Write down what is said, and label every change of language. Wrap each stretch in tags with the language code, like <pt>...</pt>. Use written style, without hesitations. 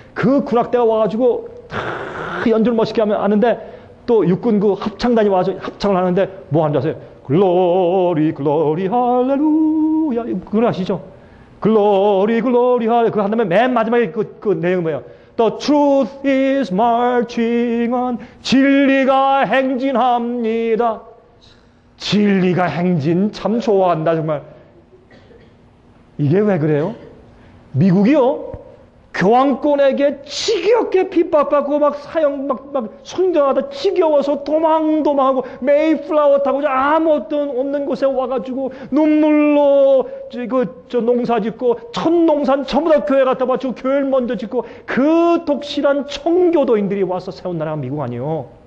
<ko>그 군악대가 와가지고 다 연주를 멋있게 하는데, 또 육군 그 합창단이 와서 합창을 하는데 뭐 하는 줄 아세요? 글로리 글로리 할렐루야. 그걸 아시죠? 글로리 글로리 할렐루야. 그거 한 다음에 맨 마지막에 그 내용이 뭐예요?</ko> <en>The truth is marching on.</en> <ko>진리가 행진합니다. 진리가 행진 참 좋아한다 정말. 이게 왜 그래요? 미국이요, 교황권에게 지겹게 핍박받고 막 사형 막 순교하다 지겨워서 도망도망하고 메이플라워 타고 아무것도 없는 곳에 와가지고 눈물로 농사 짓고 첫 농산 전부 다 교회 갖다 바치고 교회를 먼저 짓고, 그 독실한 청교도인들이 와서 세운 나라가 미국 아니요.</ko>